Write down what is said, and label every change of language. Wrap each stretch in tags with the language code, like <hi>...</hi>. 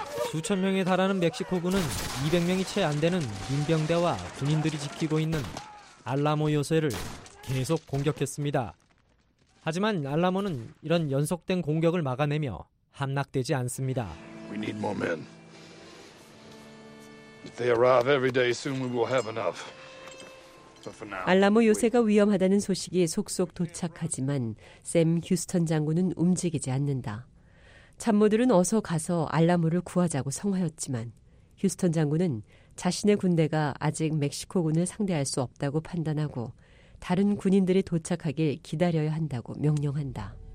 <ko>수천 명에 달하는 멕시코군은 200명이 채 안 되는 민병대와 군인들이 지키고 있는 알라모 요새를 계속 공격했습니다. 하지만 알라모는 이런 연속된 공격을 막아내며 함락되지 않습니다.</ko> <en>We need more men. If they arrive every day, soon we will have enough. But for now,</en> <ko>알라모 요새가 위험하다는 소식이 속속 도착하지만 샘 휴스턴 장군은 움직이지 않는다. 참모들은 어서 가서 알라모를 구하자고 성하였지만 휴스턴 장군은 자신의 군대가 아직 멕시코군을 상대할 수 없다고 판단하고 다른 군인들이 도착하길 기다려야 한다고 명령한다.</ko>